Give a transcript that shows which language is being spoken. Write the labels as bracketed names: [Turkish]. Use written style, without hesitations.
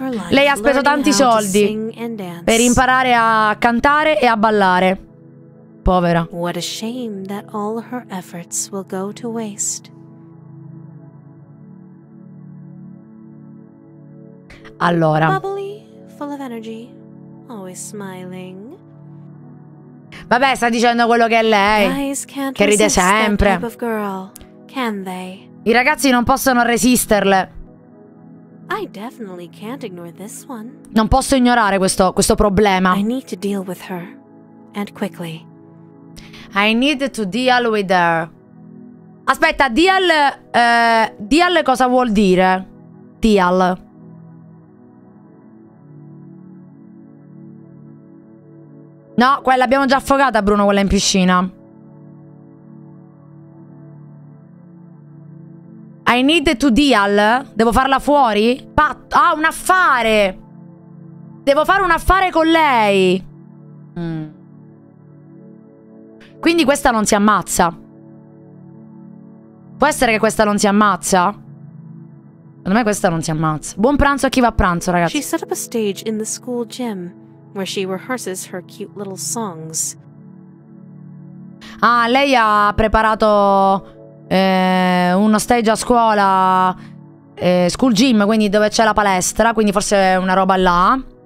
[Italian] Lei ha speso tanti soldi per imparare a cantare e a ballare. Povera. [English] What a shame that all her efforts will go to waste. [Italian] Allora. [English] Bubbly, full of energy, always smiling. [Italian] Vabbè, sta dicendo quello che è lei. Che ride sempre. [English] Girl, can they? [Italian] I ragazzi non possono resisterle. [English] I definitely can't ignore this one. [Italian] Non posso ignorare questo problema. [English] I need to deal with her. And quickly. I need to deal with her. [Italian] Aspetta, [English] deal. [Italian] Deal cosa vuol dire? Deal. No, quella abbiamo già affogata, Bruno, quella in piscina. [English] I need to deal. [Italian] Devo farla fuori? Patto. Ah, un affare. Devo fare un affare con lei. Quindi questa non si ammazza. Può essere che questa non si ammazza? Secondo me questa non si ammazza. Buon pranzo a chi va a pranzo, ragazzi. [English] She set up a stage in the school gym where she rehearses her cute little songs. [Italian] Ah, lei ha preparato uno stage a scuola, school gym, quindi dove c'è la palestra, quindi forse una roba là.